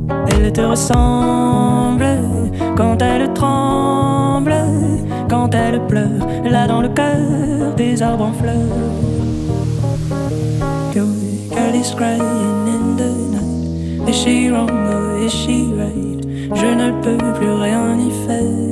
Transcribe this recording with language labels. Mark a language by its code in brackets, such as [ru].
[fr] Elle te ressemble quand elle tremble, quand elle pleure, là dans le cœur des arbres en fleurs. [en] Your girl is crying in the night. Is she wrong or is she right? [fr] Je ne peux plus rien y faire.